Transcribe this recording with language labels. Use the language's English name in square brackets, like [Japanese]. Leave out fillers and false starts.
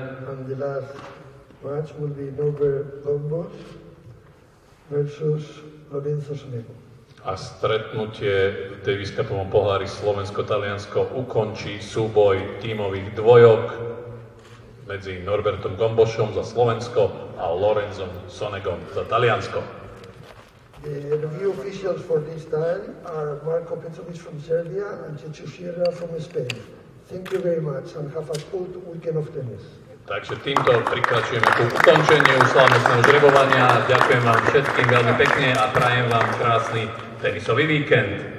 [English] And the last match will be Norbert Gombos versus Lorenzo Sonego. [Slovak] A stretnutie v Davis Cupovom pohári Slovensko-Taliansko ukončí súboj tímových dvojok medzi Norbertom Gombosom za Slovensko a Lorenzom Sonegom za Taliansko. [English] The review officials for this time are Marko Petrovic from Serbia and Chechu Sierra from Spain. Thank you very much and have a good weekend of tennis. [Slovak] Takže týmto prikračujeme ku ukončeniu slávnostného žrebovania. Ďakujem vám všetkým veľmi pekne a prajem vám krásny tenisový víkend.